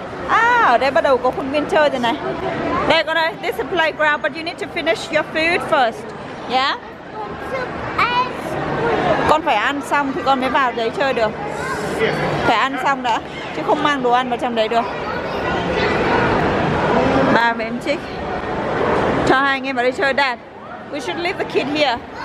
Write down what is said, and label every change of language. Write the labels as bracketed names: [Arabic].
[Vietnamese] Ah, ở đây bắt đầu có khuôn viên chơi rồi này. Đây con ơi, [English] this is a playground, but you need to finish your food first. Yeah? I want to, I [Vietnamese] con phải ăn xong thì con mới vào đấy chơi được. Phải ăn xong đã, chứ không mang đồ ăn vào trong đấy được. Ba với em Trích cho hai anh em vào đây chơi. [English] Dad, we should leave the kid here.